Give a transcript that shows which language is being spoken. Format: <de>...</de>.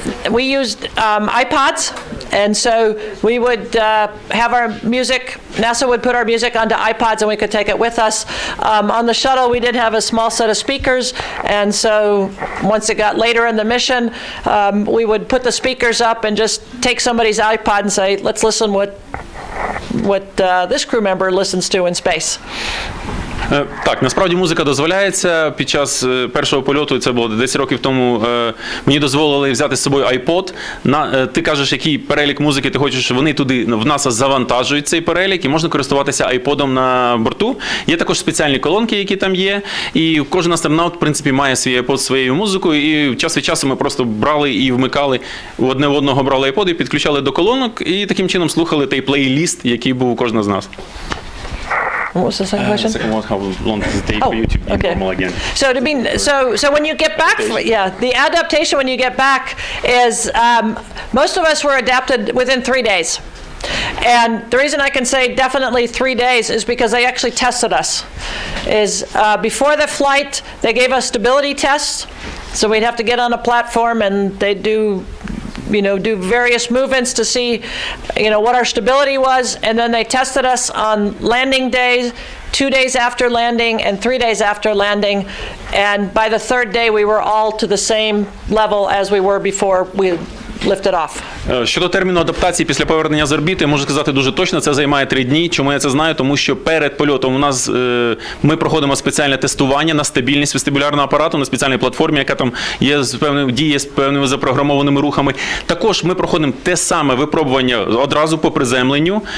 <en>we used iPods, and so we would have our music, NASA would put our music onto iPods and we could take it with us. On the shuttle, we did have a small set of speakers, and so once it got later in the mission, we would put the speakers up and just take somebody's iPod and say, let's listen what this crew member listens to in space.</en> <uk>Так, насправді музика дозволяється. Під час першого польоту, це було 10 років тому, мені дозволили взяти з собою iPod. Ти кажеш, який перелік музики ти хочеш, вони туди в NASA завантажують цей перелік, і можна користуватися iPod-ом на борту. Є також спеціальні колонки, які там є, і кожен астронавт, в принципі, має свій iPod зі своєю музикою, і час від часу ми просто брали і вмикали, одне в одного брали iPod і підключали до колонок, і таким чином слухали той плейліст, який був у кожен з нас.</uk> <en>What was the second question? The second one, how long does it take for you to be okay. normal again? So to be, so when you get back, the adaptation when you get back is, most of us were adapted within 3 days. And the reason I can say definitely 3 days is because they actually tested us. Is before the flight, they gave us stability tests. So we'd have to get on a platform and they'd do, you know, do various movements to see, you know, what our stability was, and then they tested us on landing days, 2 days after landing and 3 days after landing, and by the third day we were all to the same level as we were before we lifted off.</en> <uk>Щодо терміну адаптації після повернення з орбіти, можу сказати дуже точно, це займає 3 дні. Чому я це знаю? Тому що перед польотом у нас ми проходимо спеціальне тестування на стабільність вестибулярного апарату, на спеціальній платформі, яка там є з певним діє з певними запрограмованими рухами. Також ми проходимо те саме випробування одразу по приземленню.</uk>